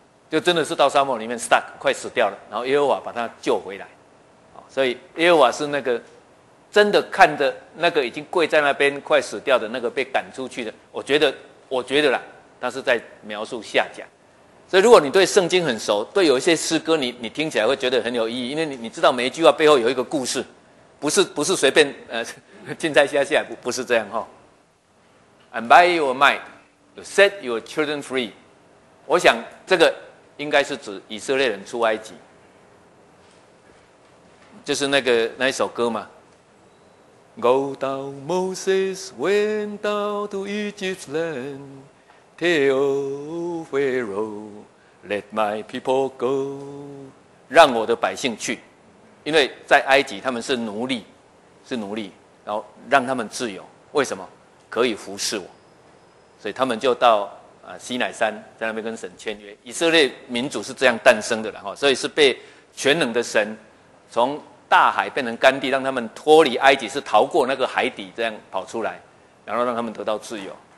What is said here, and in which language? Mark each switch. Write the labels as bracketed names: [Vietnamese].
[Chinese] 就真的是到沙漠里面 stuck 快死掉了，然后耶和华把他救回来，所以耶和华是那个真的看着那个已经跪在那边快死掉的那个被赶出去的，我觉得啦，他是在描述夏甲。所以如果你对圣经很熟，对有一些诗歌你听起来会觉得很有意义，因为你知道每一句话背后有一个故事，不是随便进在下下，不是这样哈。 [English] And by your might, you set your children free。 [Chinese] 我想这个应该是指以色列人出埃及，就是那一首歌嘛。 [English] Go down, Moses went down to Egypt's land, tell Pharaoh, let my people go. [Chinese] 让我的百姓去，因为在埃及他们是奴隶，然后让他们自由，为什么？可以服侍我，所以他们就到西乃山，在那边跟神签约，以色列民族是这样诞生的了，所以是被全能的神从大海变成干地，让他们脱离埃及，是逃过那个海底，这样跑出来，然后让他们得到自由。